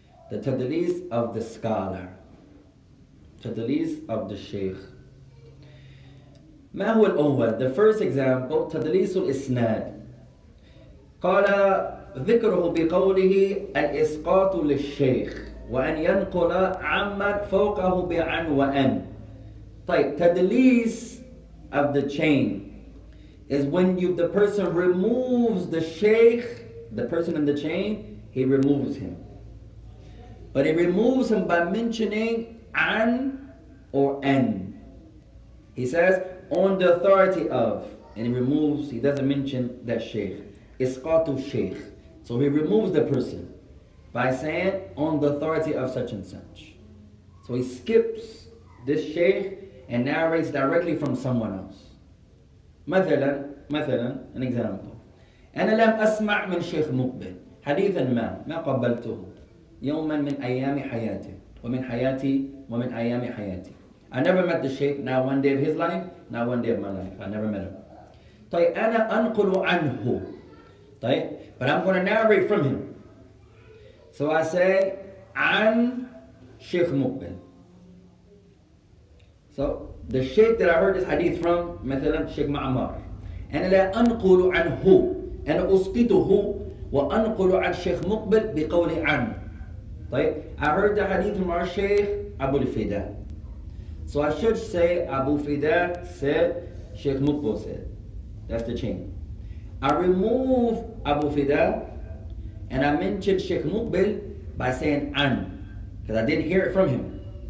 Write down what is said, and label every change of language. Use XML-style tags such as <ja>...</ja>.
<en>The تدليس of the scholar. تدليس of the شيخ.</en> <ar>ما هو الأول؟</ar> <en>The first example,</en> <ar>تدليس الإسناد. قال ذكره بقوله الإسقاط للشيخ وأن ينقل عمن فوقه بعن وأن.</ar> <en>طيب تدليس of the chain is when you, the person removes the sheikh, the person in the chain, he removes him. But he removes him by mentioning an or an. He says, on the authority of, and he removes, he doesn't mention that sheikh. Isqatu sheikh. So he removes the person by saying, on the authority of such and such. So he skips this sheikh and narrates directly from someone else. مثلا an example.</en> <ar>أنا لم أسمع من شيخ مقبل حديثا ما قبلته يوما من أيام حياتي ومن حياتي ومن أيام حياتي.</ar> <en>I never met the sheikh, not one day of his life, not one day of my life. I never met him.</en> <ar>طيب أنا أنقل عنه.</ar> <en>طيب but I'm going to narrate from him. So I say عن شيخ مقبل. So the sheikh that I heard this hadith from, مثلا شيخ معمار.</en> <ar>أنا لا أنقل عنه أنا أسقطه وأنقل عن شيخ مقبل بقول عن.</ar> <en>طيب I heard the hadith from our Sheikh Abu Fida. So I should say Abu Fida said, Sheikh Mukbil said. That's the chain. I remove Abu Fida and I mention Sheikh Mukbil by saying an, because I didn't hear it from him.</en>